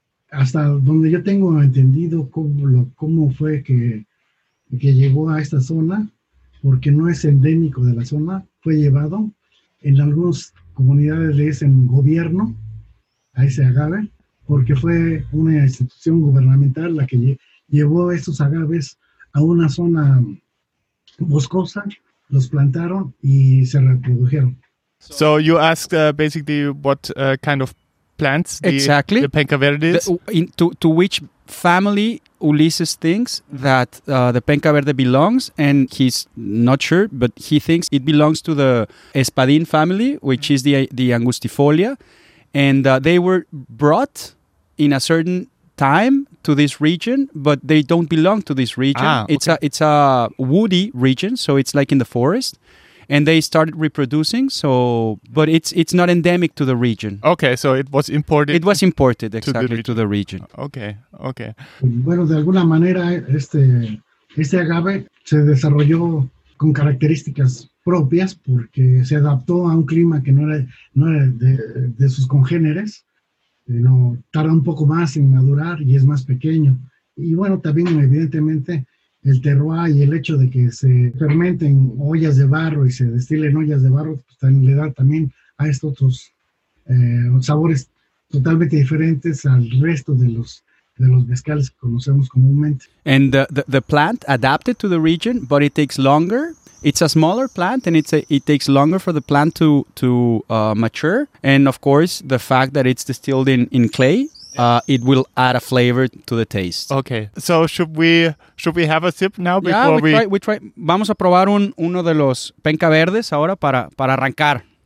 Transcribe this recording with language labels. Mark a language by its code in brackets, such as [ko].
[es] Hasta donde yo tengo entendido cómo fue que llegó a esta zona, porque no es endémico de la zona, fue llevado en algunas comunidades de ese gobierno, a ese agave, porque fue una institución gubernamental la que llevó esos agaves a una zona boscosa, los plantaron y se reprodujeron. [en] So you asked basically what kind of plants, exactly. The penca verde is. To which family Ulises thinks that the Penca Verde belongs, and he's not sure, but he thinks it belongs to the Espadín family, which is the Angustifolia, and they were brought in a certain time to this region, but they don't belong to this region. It's a woody region, so it's like in the forest. And they started reproducing, so, but it's not endemic to the region. Okay, so it was imported. It was imported exactly to the region. Okay, okay. [es] Bueno, de alguna manera este agave se desarrolló con características propias porque se adaptó a un clima que no era de sus congéneres. No tarda un poco más en madurar y es más pequeño. Y bueno, también evidentemente el terroir y el hecho de que se fermenten ollas de barro y se destilen ollas de barro, pues también le da también a estos otros sabores totalmente diferentes al resto de los mezcales que conocemos comúnmente. [en] And the plant adapted to the region, but it takes longer. It's a smaller plant, and it takes longer for the plant to mature. And of course, the fact that it's distilled in clay, it will add a flavor to the taste. Okay, so should we have a sip now before we try? [es] Vamos a probar uno de los penca verdes ahora para arrancar.